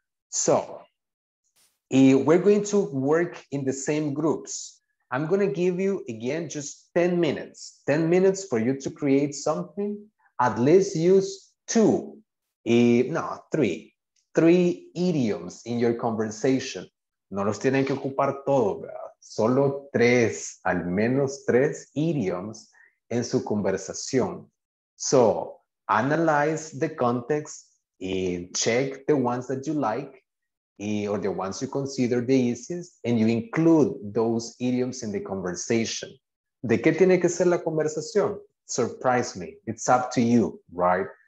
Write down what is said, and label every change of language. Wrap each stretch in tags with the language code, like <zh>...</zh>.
<en>So we're going to work in the same groups. I'm gonna give you again, just 10 minutes. 10 minutes for you to create something. At least use three idioms in your conversation.</en> <es>No los tienen que ocupar todo, ¿verdad? Solo tres, al menos tres idioms en su conversación.</es> <en>So analyze the context and check the ones that you like, or the ones you consider the easiest, and you include those idioms in the conversation.</en> <es>¿De qué tiene que ser la conversación?</es> <en>Surprise me. It's up to you, right?</en>